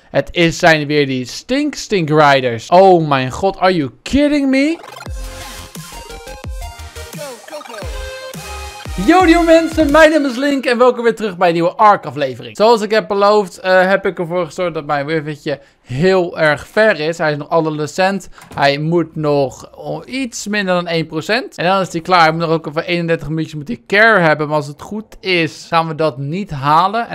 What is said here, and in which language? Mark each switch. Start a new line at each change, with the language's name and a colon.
Dutch: Het is zijn weer die stink riders.
English: Oh mijn god, are you kidding me?
Dutch: Yo mensen, mijn naam is Link en welkom weer terug bij een nieuwe ARK aflevering. Zoals ik heb beloofd, heb ik ervoor gezorgd dat mijn wuffetje heel erg ver is. Hij is nog adolescent. Hij moet nog iets minder dan 1%. En dan is hij klaar. Hij moet nog ook even 31 minuutjes moet hij care hebben. Maar als het goed is, gaan we dat niet halen.